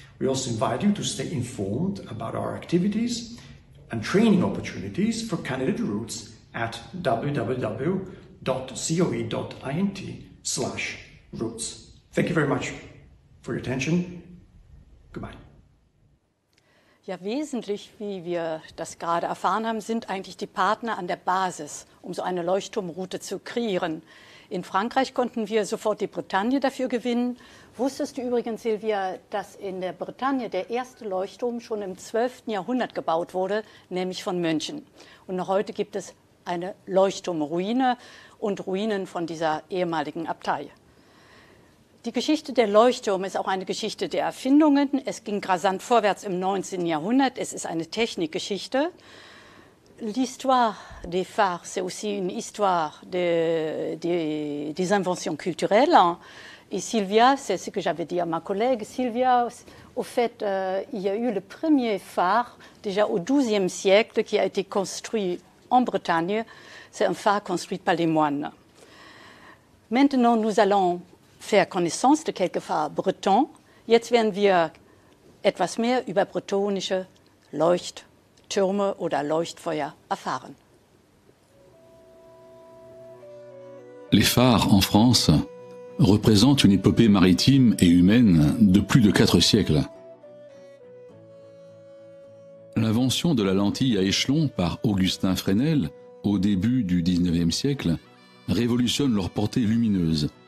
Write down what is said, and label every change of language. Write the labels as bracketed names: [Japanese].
[English] We also invite you to stay informed about our activities and training opportunities for candidate routes at www.coe.int/routes. Thank you very much for your attention. Goodbye. [German] Ja, wesentlich, wie wir das gerade erfahren haben, sind eigentlich die Partner an der Basis, um so eine Leuchtturmroute zu kreieren. In Frankreich konnten wir sofort die Bretagne dafür gewinnen. Wusstest du übrigens, Silvia, dass in der Bretagne der erste Leuchtturm schon im 12. Jahrhundert gebaut wurde, nämlich von Mönchen? Und noch heute gibt es eine Leuchtturmruine und Ruinen von dieser ehemaligen Abtei. Die Geschichte der Leuchttürme ist auch eine Geschichte der Erfindungen. Es ging rasant vorwärts im 19. Jahrhundert. Es ist eine Technikgeschichte. [French] L'histoire des phares, c'est aussi une histoire des inventions culturelles. Et Sylvia, c'est ce que j'avais dit à ma collègue, Sylvia, au fait, il y a eu le premier phare, déjà au 12e siècle, qui a été construit en Bretagne. C'est un phare construit par les moines. Maintenant, nous allons faire connaissance de quelques phares bretons. [German] Jetzt werden wir etwas mehr über bretonische Leuchttürme oder Leuchtfeuer erfahren. [French] Les phares en France représentent une épopée maritime et humaine de plus de 4 siècles. L'invention de la lentille à échelons par Augustin Fresnel au début du 19e siècle révolutionne leur portée lumineuse.